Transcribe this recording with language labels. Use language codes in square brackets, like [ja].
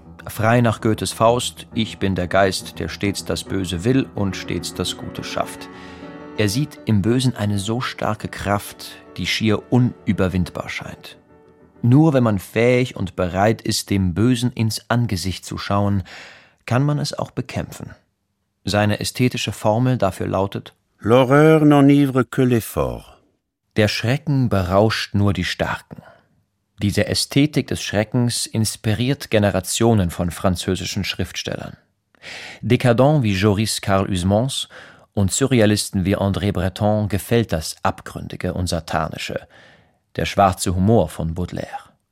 [de] Frei nach Goethes Faust, ich bin der Geist, der stets das Böse will und stets das Gute schafft. Er sieht im Bösen eine so starke Kraft, die schier unüberwindbar scheint. Nur wenn man fähig und bereit ist, dem Bösen ins Angesicht zu schauen, kann man es auch bekämpfen. Seine ästhetische Formel dafür lautet: [fr] L'horreur n'enivre que les forts. [de] Der Schrecken berauscht nur die Starken. Diese Ästhetik des Schreckens inspiriert Generationen von französischen Schriftstellern. Décadents wie Joris Karl Usmans und Surrealisten wie André Breton gefällt das Abgründige und Satanische, der schwarze Humor von Baudelaire.